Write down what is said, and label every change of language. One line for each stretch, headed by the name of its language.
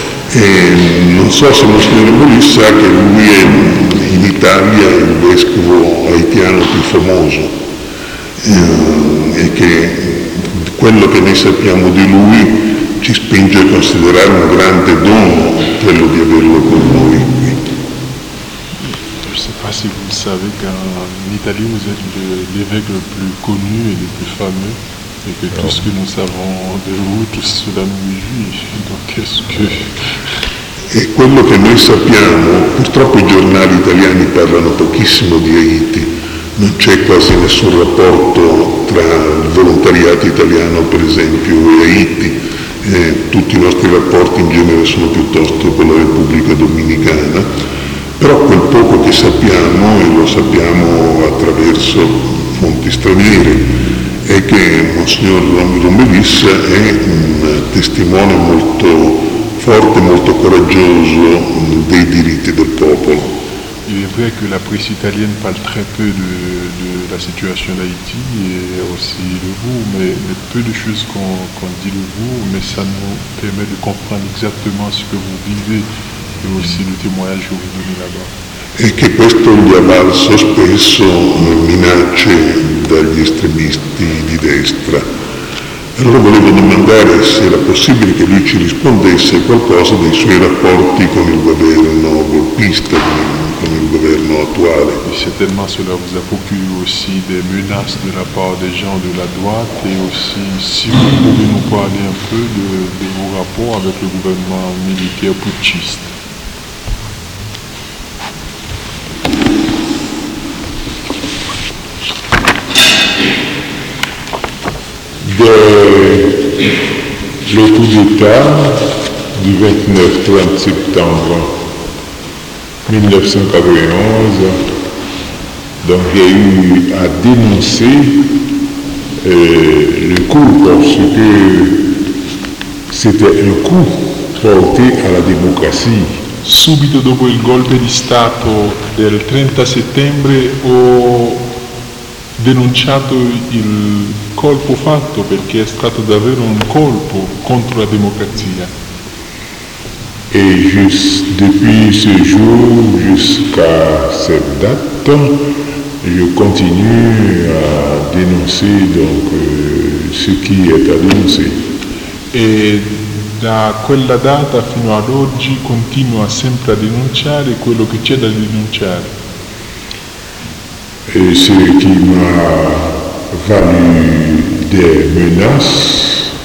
Italian: E non so se il nostro Romero sa che lui è in Italia il vescovo haitiano più famoso e che quello che noi sappiamo di lui ci spinge a considerare un grande dono quello di averlo con noi qui.
French: Je ne sais pas si vous savez qu'en Italie vous êtes l'évêque le plus connu et le plus fameux, et que tout ce que nous savons de vous, tout cela nous est juif. Donc qu'est-ce que.
Italian: E quello che noi sappiamo, purtroppo i giornali italiani parlano pochissimo di Haiti. Non c'è quasi nessun rapporto tra il volontariato italiano, per esempio, e Haiti. Tutti i nostri rapporti in genere sono piuttosto con la Repubblica Dominicana. Però quel poco che sappiamo, e lo sappiamo attraverso fonti straniere, è che Monsignor Romelis è un testimone molto forte, molto coraggioso dei diritti del popolo.
French: Il est vrai que la presse italienne parle très peu de la situation d'Haïti et aussi de vous, mais peu de choses qu'on dit de vous, mais ça nous permet de comprendre exactement ce que vous vivez et aussi le témoignage que vous donnez là-bas. Et que
Italian: questo gli ha valso spesso minacce dagli estremisti di destra. Allora volevo domandare se era possibile che lui ci rispondesse qualcosa dei suoi rapporti con il governo golpista, con il governo attuale.
French: E certainement cela vous a procuré aussi des menaces de la part des gens de la droite, et aussi si vous pouvez nous parler un peu de vos rapports avec le gouvernement militaire putschiste. De le coup d'État du 29-30 septembre 1991, donc il y a eu à dénoncer le coup, parce que c'était un coup porté à la démocratie.
Italian: Subito dopo il golpe di Stato del 30 settembre ho denunciato il colpo fatto, perché è stato davvero un colpo contro la democrazia.
French: Et juste depuis ce jour jusqu'à cette date, je continue à dénoncer donc ce qui est à dénoncer.
Italian: Et da quella data fino ad oggi continua sempre a denunciare quello che c'è da denunciare.
French: Et ce qui m'a valu des menaces.